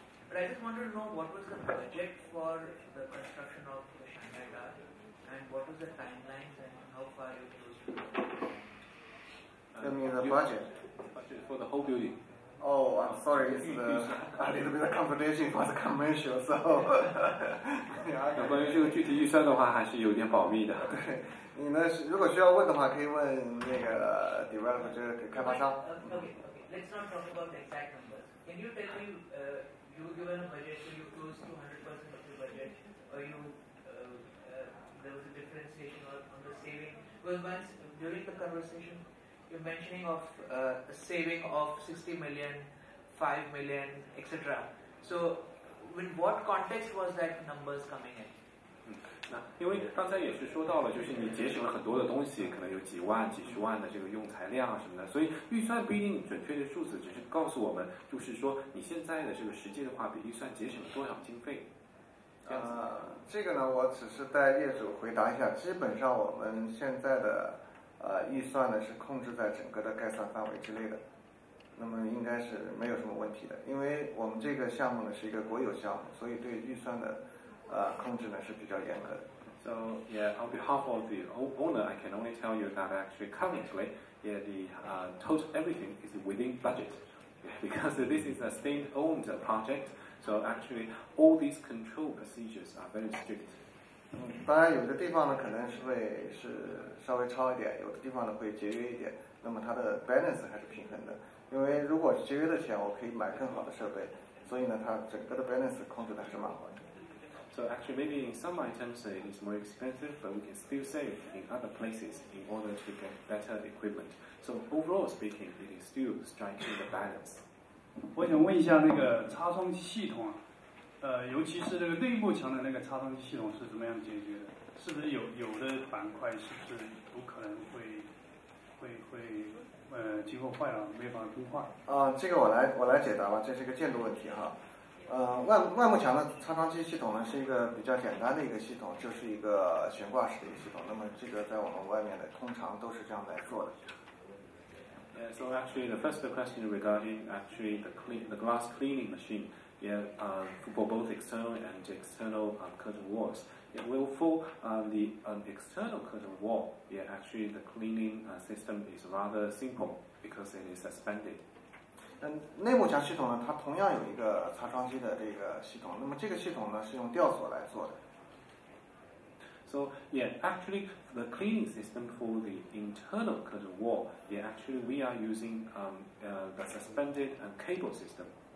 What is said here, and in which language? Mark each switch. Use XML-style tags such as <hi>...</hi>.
<en>But I just wanted to know what was the budget for the construction of the Shanghai garden, and what was the timelines, and how far you close to Tell me the budget. For the whole building. Oh, I'm sorry, it's a little bit of competition for the commercial, so...</en> <zh>那关于这个具体预算的话还是有点保密的。对，你呢，如果需要问的话可以问那个 developer, 就是开发商。</zh> <en>Okay, let's not talk about the exact numbers. Can you tell me, you given a budget, so you close 200% of your budget, or you, there was a differentiation on the saving? Well, once, during the conversation,You're mentioning of a saving of 60 million, 5 million, etc. So, in what context was that numbers coming in?</en> <zh>因为刚才也是说到了，就是你节省了很多的东西，可能有几万、几十万的这个用材量什么的，所以预算不一定准确的数字，只是告诉我们，就是说你现在的这个实际的话，比预算节省了多少经费。这个呢，我只是带业主回答一下，基本上我们现在的。预算呢是控制在整个的概算范围之内的，那么应该是没有什么问题的，因为我们这个项目呢是一个国有项目，所以对预算的控制呢是比较严格的。</zh> <en>So yeah, on behalf of the owner, I can only tell you that actually currently, yeah, the total everything is within budget, because this is a state-owned project, so actually all these control procedures are very strict.</en> <zh>当然有的地方呢可能是会是稍微超一点，有的地方呢会节约一点，那么它的 balance 还是平衡的，因为如果节约的钱我可以买更好的设备，所以呢它整个的 balance 控制的还是蛮好的。</zh> <en>So actually maybe in some items it is more expensive, but we can still save in other places in order to get better equipment. So overall speaking, it is still striking the balance.</en> <zh>我想问一下那个插充系统啊，尤其是这个内部墙的那个插桩系统是怎么样解决的？是不是有的板块是不是有可能会结构坏了没法更换？这个我来解答吧，这是一个建筑问题哈。外幕墙的插桩机系统呢是一个比较简单的一个系统，就是一个悬挂式的一个系统。那么这个在我们外面的通常都是这样来做的。</zh> <en>Yeah, So actually, the first question regarding actually the glass cleaning machine, yeah, for both external and external curtain walls. Yeah, well, for the external curtain wall, yeah, actually the cleaning system is rather simple because it is suspended.</en> <zh>内幕墙系统呢，它同样有一个擦窗机的这个系统。那么这个系统呢，是用吊索来做的。</zh> <en>So yeah, actually the cleaning system for the internal curtain wall, yeah, actually we are using the suspended cable system.</en>